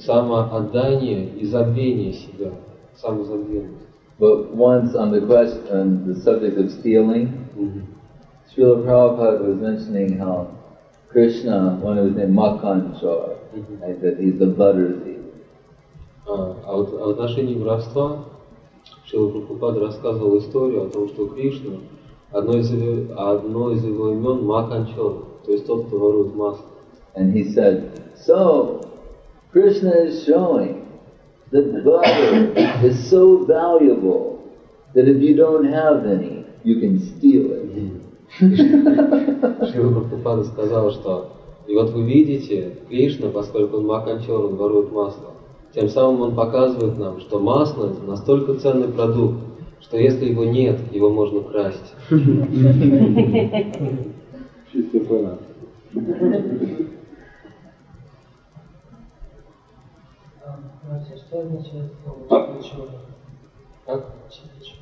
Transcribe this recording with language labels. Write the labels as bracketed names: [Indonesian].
[Russian] Самоотдание и забвение себя. Самозабвение. [English] But once on the question, the subject of stealing, Srila Prabhupada was mentioning how Krishna, when he was in Makhanchor, like that he's the butter thief. [Russian] О отношении воровства Шрила Прабхупада рассказывал историю о том, что Кришна, одно из его имен Makhanchor, то есть тот, кто ворует масло. [English] And he said, so, Krishna is showing that butter is so valuable that if you don't have any, you can steal it. [Russian] Шрила Прабхупада сказал, что и вот вы видите, Кришна, поскольку он маканчор, он ворует масло, тем самым он показывает нам, что масло это настолько ценный продукт, что если его нет, его можно красть.